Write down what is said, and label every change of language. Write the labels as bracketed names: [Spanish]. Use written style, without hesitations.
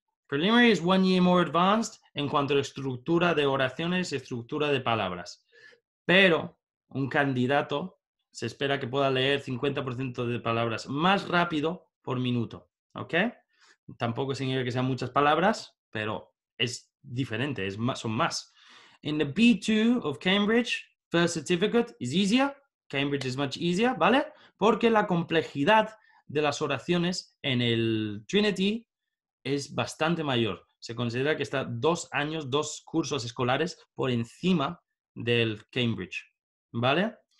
[English] Preliminary is 1 year more advanced [Spanish] en cuanto a la estructura de oraciones y estructura de palabras. Pero un candidato se espera que pueda leer 50% de palabras más rápido por minuto. ¿Ok? Tampoco significa que sean muchas palabras, pero es diferente, son más. [English] In the B2 of Cambridge, first certificate is easier. Cambridge is much easier, ¿vale? [Spanish] Porque la complejidad de las oraciones en el Trinity es bastante mayor. Se considera que está 2 años, 2 cursos escolares por encima del Cambridge, ¿vale?